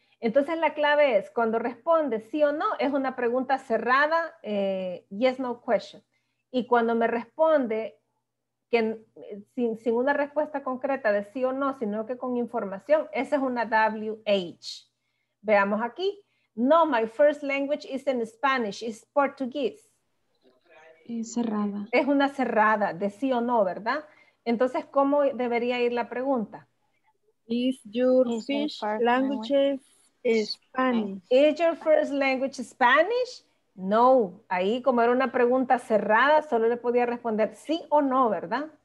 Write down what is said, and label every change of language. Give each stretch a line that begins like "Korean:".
Spanish: Entonces la clave es cuando responde sí o no, es una pregunta cerrada,
English: yes, no question.
Spanish: Y cuando me responde que sin una respuesta concreta de sí o no, sino que con información, esa es una WH. Veamos aquí.
English: No, my first language isn't Spanish, it's Portuguese.
Spanish: Cerrada. Es una cerrada de sí o no, ¿verdad? Entonces, ¿cómo debería ir la pregunta?
English: Is your first language Spanish? Is your first language Spanish? No.
Spanish: Ahí, como era una pregunta cerrada, solo le podía responder sí o no, ¿verdad?